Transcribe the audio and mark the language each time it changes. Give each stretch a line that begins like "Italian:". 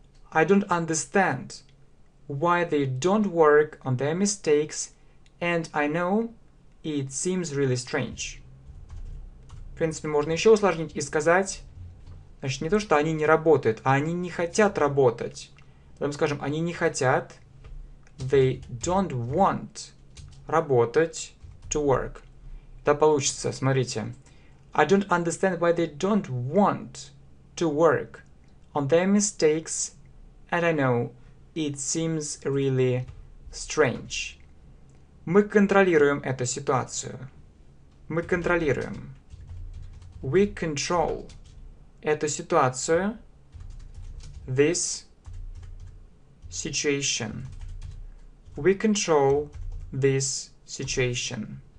English: I don't understand why they don't work on their mistakes, and I know it seems really strange.
Russian: В принципе, можно еще усложнить и сказать, значит, не то, что они не работают, а они не хотят работать. Потом скажем, они не хотят.
English: They don't want
Russian: работать,
English: to work.
Russian: Да, получится, смотрите.
English: I don't understand why they don't want to work on their mistakes, and I know it seems really strange.
Russian: Мы контролируем эту ситуацию. Мы контролируем.
English: We control
Russian: эту ситуацию.
English: This situation. We control this situation.